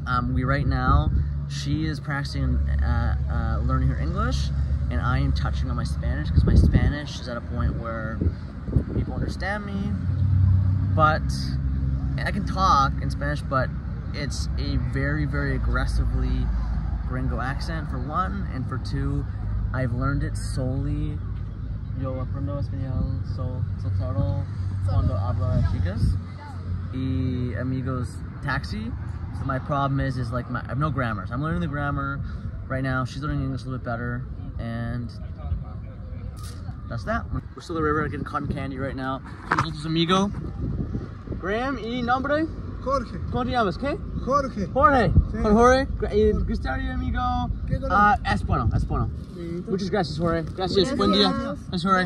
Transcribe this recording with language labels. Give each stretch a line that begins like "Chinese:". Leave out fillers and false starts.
English: We right now, she is practicing learning her English, and I am touching on my Spanish because my Spanish is at a point where people understand me. But I can talk in Spanish, but it's a very, very aggressively gringo accent for one, and for two, I've learned it solely.
Spanish: Yo aprendo español solo cuando habla chicas y amigos taxi.
English: So my problem is I have no grammar. So I'm learning the grammar right now. She's learning English a little bit better, and that's that. We're still at the river getting cotton candy right now. Here's this amigo. Graham,
Spanish: y nombre? Jorge. ¿Cómo te llamas? ¿Qué? Jorge. Jorge. Sí. Jorge. ¿Qué tal, amigo? Es bueno. Sí. Muchas gracias, Jorge. Gracias. Buen día. Gracias, Jorge.